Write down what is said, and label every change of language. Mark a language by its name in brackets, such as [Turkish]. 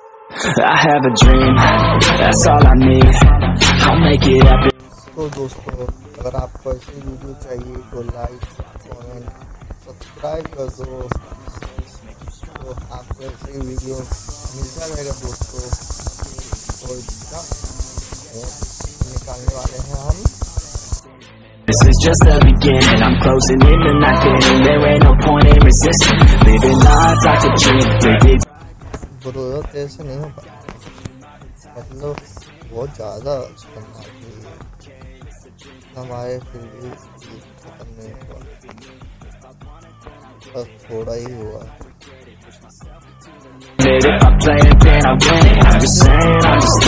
[English] I have a dream, that's all I need, I'll make it happen. [Hindi] तो दोस्तों, अगर आपको ऐसी वीडियो चाहिए तो लाइक कमेंट सब्सक्राइब कर दो। तो आपको ऐसी वीडियो मिलता रहेगा दोस्तों। और निकालने वाले हैं हम। [English] This is just the beginning, I'm closing in the night getting, there ain't no point in resisting, living lies like a dream, baby. [Hindi] Brother, कैसे नहीं हो पाया, मतलब बहुत ज़्यादा अच्छा मार दिया है, हम आए फिर भी खत्म नहीं हुआ, बस थोड़ा ही हुआ।